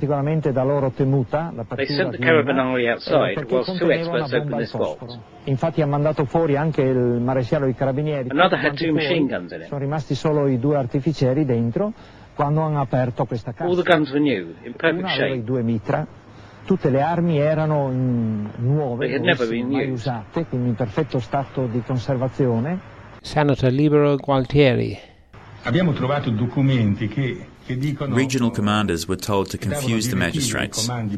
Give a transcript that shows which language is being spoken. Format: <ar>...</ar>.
<en>They sent the carabinieri outside whilst two experts opened this vault.</en> <it>Infatti ha mandato fuori anche il maresciallo dei carabinieri.</it> <en>Another had two machine guns in it.</en> <it>Sono rimasti solo I due artificieri dentro quando hanno aperto questa casa.</it> <en>All the guns were new, in perfect shape.</en> <it>Una aveva I due mitra. Tutte le armi erano nuove,</it> <en>they had never been</en> <it>mai usate, quindi in perfetto stato di conservazione.</it> <en>Senator Libero Gualtieri.</en> <it>Abbiamo trovato documenti che</it> <en>regional commanders were told to confuse the magistrates.</en>